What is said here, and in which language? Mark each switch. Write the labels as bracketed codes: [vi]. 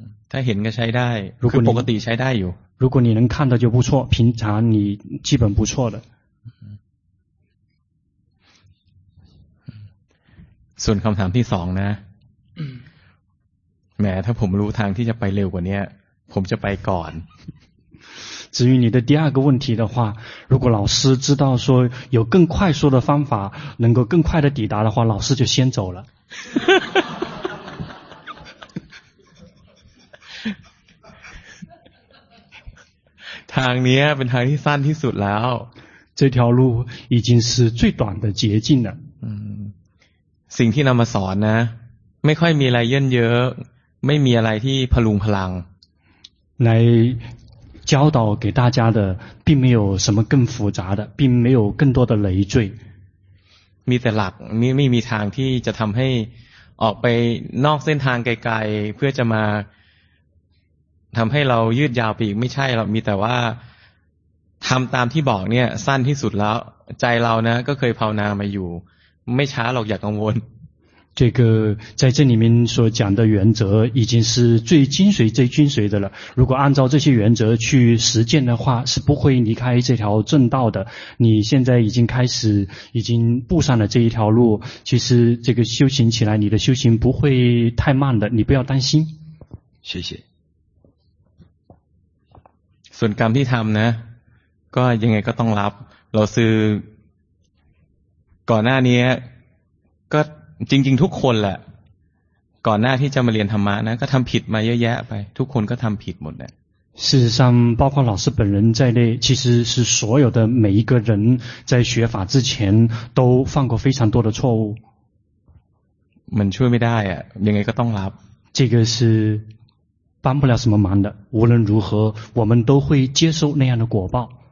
[th] ถ้าเห็นก็ใช้ได้คือปกติใช้ได้อยู่ [zh] 如果你能看到就不错平常你基本不错的 [th] ส่วนคำถามที่สองนะแหมถ้าผมรู้ทางที่จะไปเร็วกว่านี้ผมจะไปก่อน [zh] 至于你的第二个问题的话如果老师知道说有更快速的方法能够更快的抵达的话老师就先走了 [th] ทางนี้เป็นทางที่สั้นที่สุดแล้ว [zh] 这条路已经是最短的捷径了 [th] สิ่งที่นำมาสอนนะไม่ค่อยมีอะไรเยินเยอะไม่มีอะไรที่พลุงพลัง [zh] ใน教导给大家的并没有什么更复杂的并没有更多的累赘 [th] มีแต่หลักไม่มีทางที่จะทำให้ออกไปนอกเส้นทางไกลๆเพื่อจะมาทำให้เรายืดยาวไปอีกไม่ใช่หรอกมีแต่ว่าทำตามที่บอกเนี่ยสั้นที่สุดแล้วใจเรานะก็เคยภาวนามาอยู่ [zh] 没差了，要更稳。这个在这里面所讲的原则已经是最精髓、最精髓的了。如果按照这些原则去实践的话，是不会离开这条正道的。你现在已经开始，已经步上了这一条路。其实这个修行起来，你的修行不会太慢的，你不要担心。谢谢。 [th] ส่วนกรรมที่ทำนะ，ก็ยังไงก็ต้องรับ。 [zh] 老师。 [th] ก่อนหน้านี้ก็จริงๆทุกคนแหละก่อนหน้าที่จะมาเรียนธรรมะนะก็ทำผิดมาเยอะแยะไปทุกคนก็ทำผิดหมดแหละ [zh] 事实上包括老师本人在内其实是所有的每一个人在学法之前都犯过非常多的错误 [th] มันช่วยไม่ได้อะยังไงก็ต้องรับ [zh] 这个是帮不了什么忙的，无论如何我们都会接受那样的果报。